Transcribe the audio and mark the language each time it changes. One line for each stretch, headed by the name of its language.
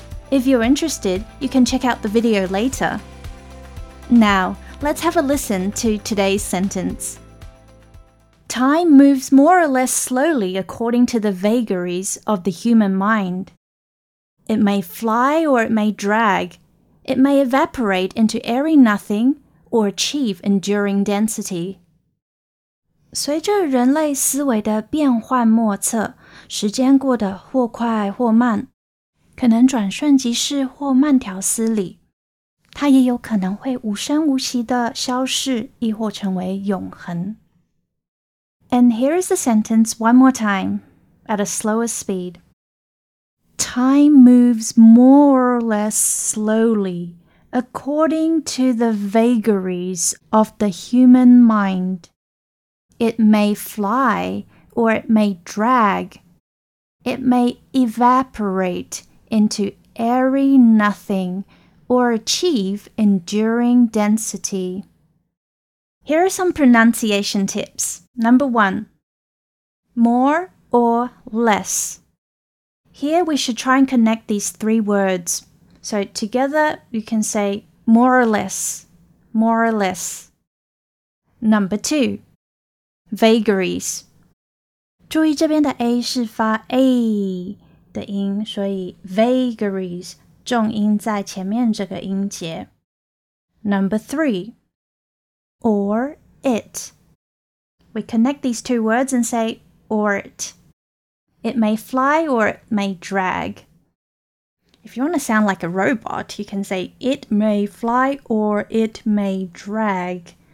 English: If you're interested, you can check out the video later. Now, let's have a listen to today's sentence. Time moves more or less slowly according to the vagaries of the human mind. It may fly or it may drag. It may evaporate into airy nothing or achieve enduring density.
Chinese: 随着人类思维的变幻莫测，时间过得或快或慢，可能转瞬即逝或慢条斯理，它也有可能会无声无息地消逝，亦或成为永恒。
English: And here is the sentence one more time, at a slower speed. Time moves more or less slowly according to the vagaries of the human mind. It may fly or it may drag. It may evaporate into airy nothing or achieve enduring density. Here are some pronunciation tips. Number one, more or less. Here we should try and connect these three words. So together you can say more or less, more or less. Number two, vagaries.
Chinese: 注意这边的 A 是发 A 的音，所以 vagaries 重音在前面这个音节。
English: Number three, or it. We connect these two words and say or it. It may fly or it may drag. If you want to sound like a robot, you can say it may fly or it may drag.